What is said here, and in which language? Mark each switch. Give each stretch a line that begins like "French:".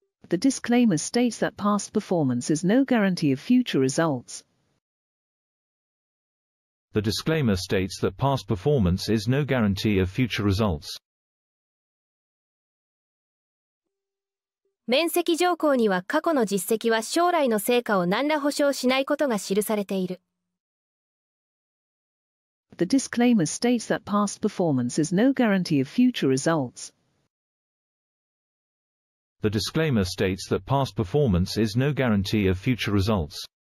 English: The disclaimer states that past performance is no guarantee of future results. The disclaimer states that past performance is no guarantee of future results.
Japanese: 面積条項には過去の実績は将来の成果を何ら保証しないことが記されている。
English: The disclaimer states that past performance is no guarantee of future results. The disclaimer states that past performance is no guarantee of future results.